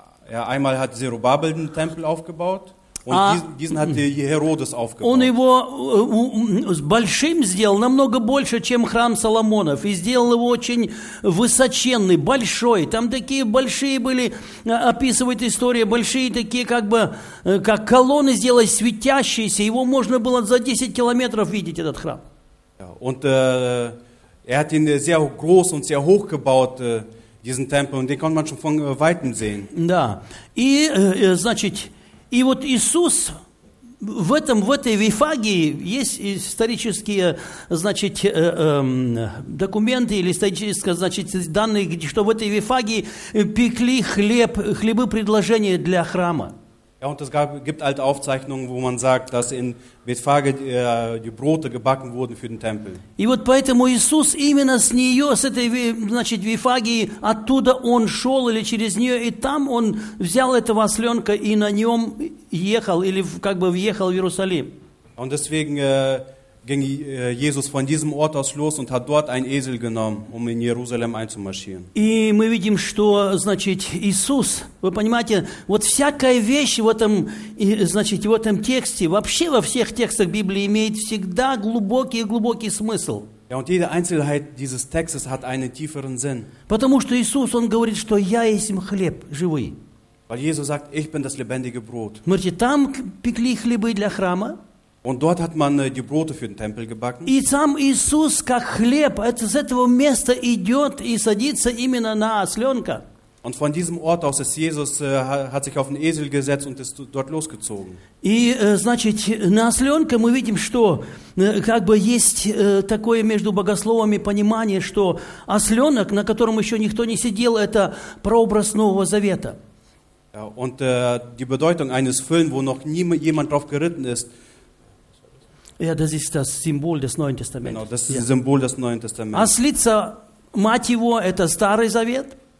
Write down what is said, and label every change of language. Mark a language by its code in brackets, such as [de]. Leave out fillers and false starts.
[de] Ja, einmal hat Zerubabel den Tempel aufgebaut und diesen hat Herodes aufgebaut. [ru] Он его большим сделал, намного больше, чем храм Соломонов, и сделал его очень высоченный, большой. Там такие большие были, описывает история, большие такие, как бы, как колонны сделали, светящиеся, его можно было за 10 километров видеть, этот храм. [de] Und hat ihn sehr groß und sehr hoch gebaut, diesen Tempel, und den konnte man schon von Weitem sehen. [ru] Да, и, значит, и вот Иисус в этой Вифагии есть исторические, значит, документы или исторические, значит, данные, что в этой Вифагии пекли хлеб, хлебы предложения для храма. [de] Ja, und es gibt alte Aufzeichnungen, wo man sagt, dass in Betfage die Brote gebacken wurden für den Tempel. [ru] И вот поэтому Иисус именно с нее, с этой, значит, Вифагии, оттуда он шел или через нее, и там он взял этого осленка и на нем ехал или как бы въехал в Иерусалим. [de] Und deswegen ging Jesus von diesem Ort aus los und hat dort einen Esel genommen, um in Jerusalem einzumarschieren. [ru] И мы видим, что, значит, Иисус, вы понимаете, вот всякая вещь в этом, значит, в этом тексте, вообще во всех текстах Библии имеет всегда глубокий и глубокий смысл. [de] Ja, und jede Einzelheit dieses Textes hat einen tieferen Sinn. [ru] Потому что Иисус, он говорит, что я есть хлеб живой. [de] Weil Jesus sagt, ich bin das lebendige Brot. [ru] Смотрите, там пекли хлебы для храма. [de] Und dort hat man die Brote für den Tempel gebacken. [ru] И сам Иисус, как хлеб, из этого места идет и садится именно на осленка. [de] Und von diesem Ort aus ist Jesus, hat sich auf den Esel gesetzt und ist dort losgezogen. [ru] И, значит, на осленка мы видим, что как бы есть такое между богословами понимание, что осленок, на котором еще никто не сидел, это прообраз Нового Завета. [de] Ja, und die Bedeutung eines Füllen, wo noch nie jemand drauf geritten ist, ja, das ist das Symbol des Neuen Testaments. Genau, das ist das Symbol des Neuen Testaments. [ru] Ослица, мать его, это старый завет.